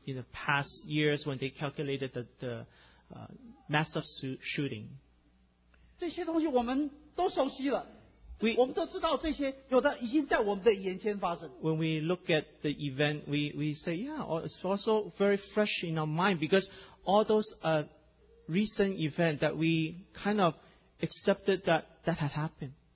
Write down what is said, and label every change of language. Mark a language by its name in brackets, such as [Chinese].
[English] in the past years when they calculated the massive shooting, [Chinese] 这些东西我们都熟悉了，我们都知道这些，有的已经在我们的眼前发生。 [English] When we look at the event, we say, yeah, it's also very fresh in our mind because all those recent events that we kind of accepted that had happened.